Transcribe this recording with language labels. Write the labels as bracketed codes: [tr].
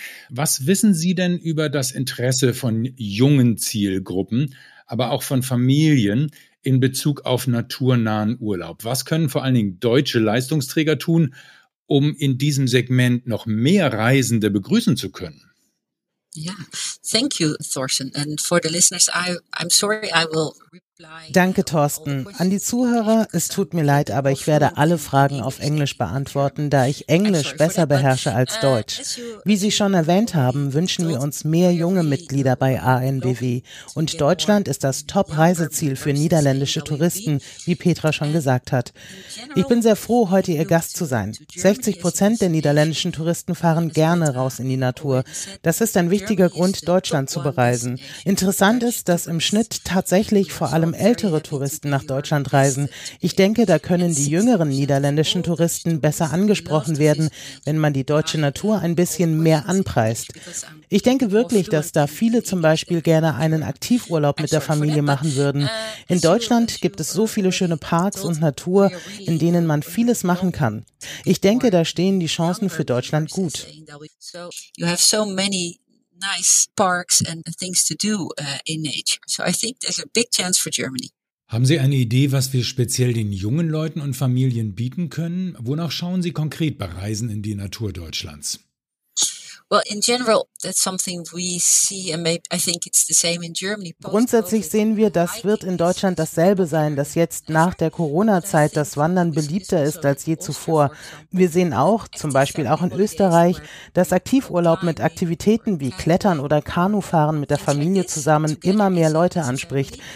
[de] Was wissen Sie denn über das Interesse von jungen Zielgruppen, aber auch von Familien in Bezug auf naturnahen Urlaub? Was können vor allen Dingen deutsche Leistungsträger tun, um in diesem Segment noch mehr Reisende begrüßen zu können? [en] Yeah, thank you, Thorsten. And for the listeners, I'm sorry, I will. [de] Danke, Thorsten. An die Zuhörer, es tut mir leid, aber ich werde alle Fragen auf Englisch beantworten, da ich Englisch besser beherrsche als Deutsch. Wie Sie schon erwähnt haben, wünschen wir uns mehr junge Mitglieder bei ANBW. Und Deutschland ist das Top-Reiseziel für niederländische Touristen, wie Petra schon gesagt hat. Ich bin sehr froh, heute Ihr Gast zu sein. 60% der niederländischen Touristen fahren gerne raus in die Natur. Das ist ein wichtiger Grund, Deutschland zu bereisen. Interessant ist, dass im Schnitt tatsächlich vor allem ältere Touristen nach Deutschland reisen. Ich denke, da können die jüngeren niederländischen Touristen besser angesprochen werden, wenn man die deutsche Natur ein bisschen mehr anpreist. Ich denke wirklich, dass da viele zum Beispiel gerne einen Aktivurlaub mit der Familie machen würden. In Deutschland gibt es so viele schöne Parks und Natur, in denen man vieles machen kann. Ich denke, da stehen die Chancen für Deutschland gut. [en] You have so many nice parks and things to do in age. So I think there's a big chance for Germany. [de] Haben Sie eine Idee, was wir speziell den jungen Leuten und Familien bieten können? Wonach schauen Sie konkret bei Reisen in die Natur Deutschlands? [en] Well, in general, that's something we see, and maybe I think it's the same in Germany. [de] Grundsätzlich sehen wir, das wird in Deutschland dasselbe sein, dass jetzt nach der Corona-Zeit das Wandern beliebter ist als je zuvor. Wir sehen auch, zum Beispiel auch in Österreich, dass Aktivurlaub mit Aktivitäten wie Klettern oder Kanufahren mit der Familie zusammen immer mehr Leute anspricht.